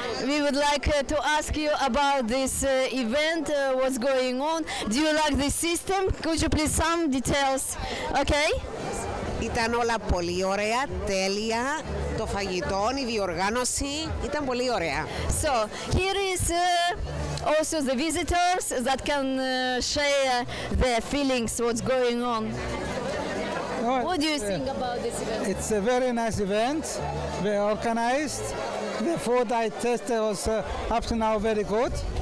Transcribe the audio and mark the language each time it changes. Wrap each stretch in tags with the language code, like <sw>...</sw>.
<en>We would like to ask you about this event, what's going on. Do you like this system? Could you please some details? Okay.</en> <el>Ήταν όλα πολύ ωραία, τέλεια. Το φαγητό, η διοργάνωση ήταν πολύ ωραία.</el> <en>So, here is also the visitors that can share their feelings, what's going on. No, what do you think about this event? It's a very nice event. We organized. The food I tested was up to now very good.</en>